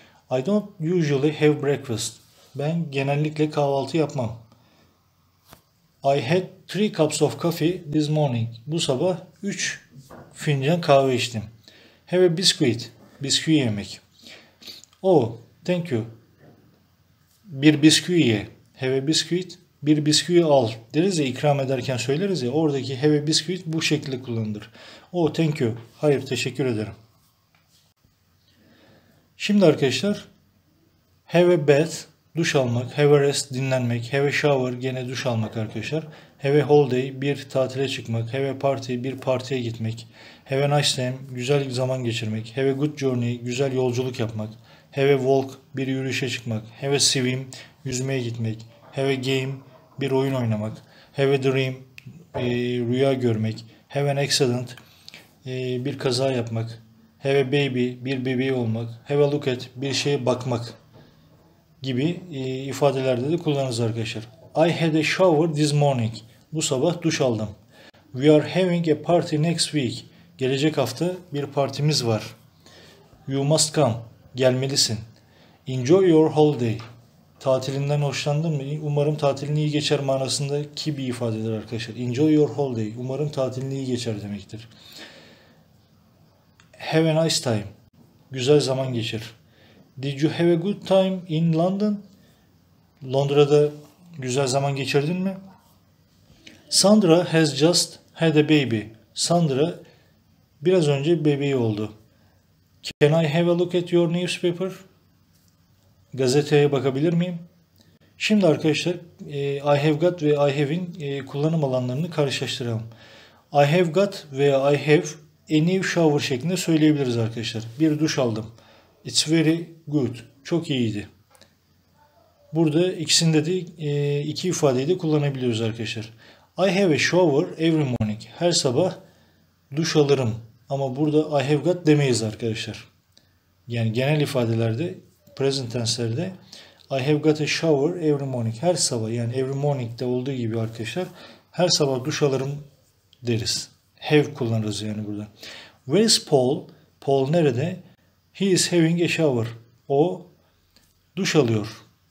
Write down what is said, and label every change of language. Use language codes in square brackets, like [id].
[en] I don't usually have breakfast. [tr] Ben genellikle kahvaltı yapmam. [en] I had 3 cups of coffee this morning. [tr] Bu sabah 3 fincan kahve içtim. [en] Have a biscuit. [tr] Bisküvi yemek. [en] Oh, thank you. [tr] Bir bisküvi ye. [en] Have a biscuit. [tr] Bir bisküvi al deriz ya, ikram ederken söyleriz ya. Oradaki have a biscuit bu şekilde kullanılır. [en] Oh, thank you. [tr] Hayır, teşekkür ederim. [en] Şimdi arkadaşlar have a bath, duş almak, have a rest, dinlenmek, have a shower, gene duş almak arkadaşlar, have a holiday, bir tatile çıkmak, have a party, bir partiye gitmek, have a nice time, güzel zaman geçirmek, have a good journey, güzel yolculuk yapmak, have a walk, bir yürüyüşe çıkmak, have a swim, yüzmeye gitmek, have a game, bir oyun oynamak, have a dream, [tr] rüya görmek, have an accident, bir kaza yapmak, have a baby, bir bebeği olmak, have a look at, bir şeye bakmak gibi ifadelerde de kullanırız arkadaşlar. [en] I had a shower this morning. [tr] Bu sabah duş aldım. [en] We are having a party next week. [tr] Gelecek hafta bir partimiz var. [en] You must come. [tr] Gelmelisin. [en] Enjoy your holiday. [tr] Tatilinden hoşlandın mı? Umarım tatilin iyi geçer manasındaki bir ifadedir arkadaşlar. Enjoy your holiday. Umarım tatilin iyi geçer demektir. [en] Have a nice time. [tr] Güzel zaman geçir. [en] Did you have a good time in London? [tr] Londra'da güzel zaman geçirdin mi? [en] Sandra has just had a baby. [tr] Sandra biraz önce bebeği oldu. [en] Can I have a look at your newspaper? [tr] Gazeteye bakabilir miyim? Şimdi arkadaşlar I have got ve I have'in kullanım alanlarını karşılaştıralım. [en] I have got veya I have a new shower [tr] şeklinde söyleyebiliriz arkadaşlar. Bir duş aldım. [en] It's very good. [tr] Çok iyiydi. Burada ikisinde de iki ifadeyi de kullanabiliyoruz arkadaşlar. [en] I have a shower every morning. [tr] Her sabah duş alırım. Ama burada I have got demeyiz arkadaşlar. Yani genel ifadelerde, present tense'lerde [en] I have got a shower every morning. [tr] Her sabah, yani every morning'de olduğu gibi arkadaşlar, her sabah duş alırım deriz. Have kullanırız yani burada. [en] Where is Paul? [tr] Paul nerede? [en] He is having a shower. [tr] O duş alıyor.